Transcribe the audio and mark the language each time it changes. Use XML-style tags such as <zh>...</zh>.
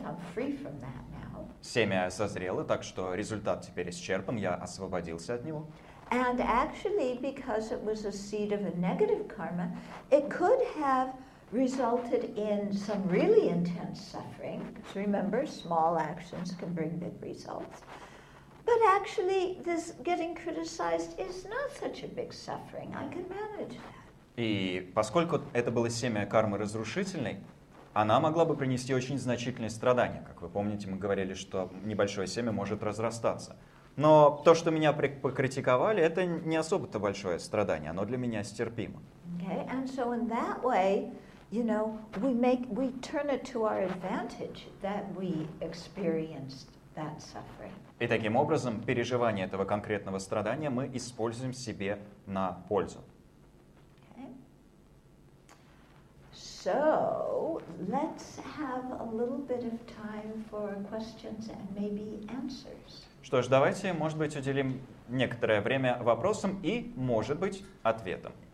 <en>I'm free from that.</en> <ru>Семя созрело, так что результат теперь исчерпан, я освободился от него.</ru> <en>And actually, because it was a seed of a negative karma, it could have resulted in some really intense suffering. Because remember, small actions can bring big results. But actually, this getting criticized is not such a big suffering. I can manage that.</en> <ru>И поскольку это было семя кармы разрушительной, она могла бы принести очень значительные страдания. Как вы помните, мы говорили, что небольшое семя может разрастаться. Но то, что меня покритиковали, это не особо-то большое страдание. Оно для меня стерпимо.</ru> <en>Okay, and so in that way, you know, we turn it to our advantage that we experienced that suffering.</en> <ru>И таким образом, переживание этого конкретного страдания мы используем себе на пользу.</ru> <en>So, let's have a little bit of time for questions and maybe answers.</en> <ru>Что ж, давайте, может быть, уделим некоторое время вопросам и, может быть, ответам.</ru>